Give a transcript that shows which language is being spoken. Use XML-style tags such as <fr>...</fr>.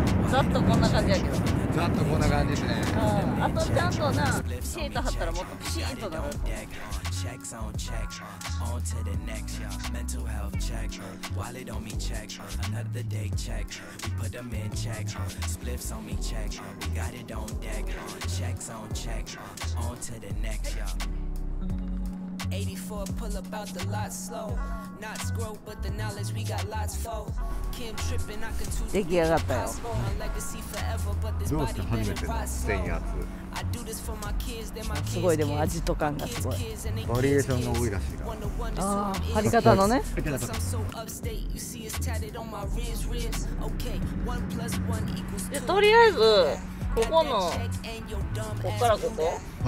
<ja>ざっとこんな感じやけど。ざっとこんな感じですね。あとちゃんとなシート貼ったらもっとピシーンとなる。</ja> <en>Checks on checks, on to the next, yeah. Mental health check, wallet on me check, another day check, we put them in check, spliffs on me check, we got it on deck, checks on checks, on to the next, yeah. 84 pull up out the lot slow, not grow but the knowledge we got lots for, Kim tripping, I can too deal with the legacy forever, but this body been processed.</en> <ja>すごい、でも味と感がすごい、バリエーションが多いらしいな。あー、貼り方のね、とりあえずここのこっからここ、</ja>